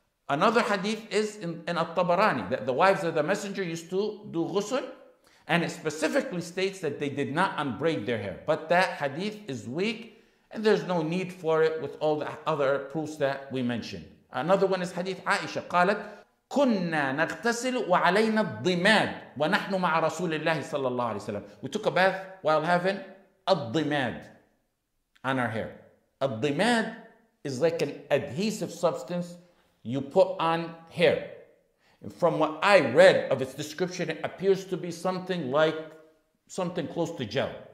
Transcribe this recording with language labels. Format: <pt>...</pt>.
<en>Another hadith is in At-Tabarani that the wives of the Messenger used to do ghusl, and it specifically states that they did not unbraid their hair. But that hadith is weak, and there's no need for it with all the other proofs that we mentioned. Another one is hadith Aisha.</en> <ar>قالت كنا نغتسل وعلينا الضماد ونحن مع رسول الله صلى الله عليه وسلم.</ar> <en>We took a bath while having الضماد on our hair. الضماد is like an adhesive substance you put on hair. From what I read of its description, it appears to be something like something close to gel.</en>